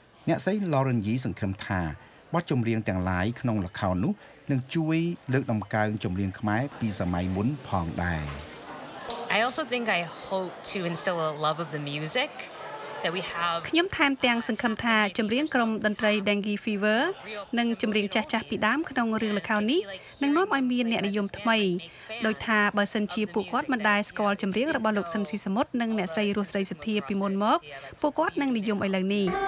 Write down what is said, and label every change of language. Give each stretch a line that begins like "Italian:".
Khmer: អ្នកស្រី Lauren Yee សង្ឃឹមថាបទចម្រៀងទាំងឡាយក្នុងល្ខោននោះនឹងជួយលើកតម្កើងចម្រៀងខ្មែរពីសម័យមុនផងដែរ
English: I also think I hope to instill a love of the music that we have
Khmer: ខ្ញុំថែមទាំងសង្ឃឹមថាចម្រៀងក្រុមតន្ត្រី Dengue Fever និងចម្រៀងចាស់ៗពីដើមក្នុងរឿងល្ខោននេះនឹងនាំឲ្យមានអ្នកនិយមថ្មីដោយថាបើសិនជាពួកគាត់មិនដែរស្គាល់ចម្រៀងរបស់លោកស៊ិនស៊ីសមុទ្រនិងអ្នកស្រីរស់ស្រីសុធាពីមុនមកពួកគាត់នឹងនិយមឥឡូវនេះ